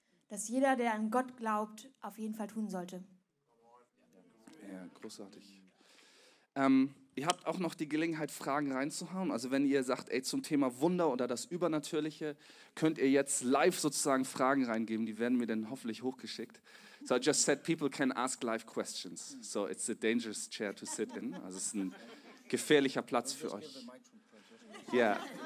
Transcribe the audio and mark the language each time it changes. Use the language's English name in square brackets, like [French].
[German] Dass jeder, der an Gott glaubt, auf jeden Fall tun sollte. Ja, großartig. Ihr habt auch noch die Gelegenheit, Fragen reinzuhauen. Also wenn ihr sagt, ey, zum Thema Wunder oder das Übernatürliche, könnt ihr jetzt live sozusagen Fragen reingeben. Die werden mir dann hoffentlich hochgeschickt. [English] So I just said, people can ask live questions. So it's a dangerous chair to sit in. [German] Also es ist ein gefährlicher Platz für euch. Ja.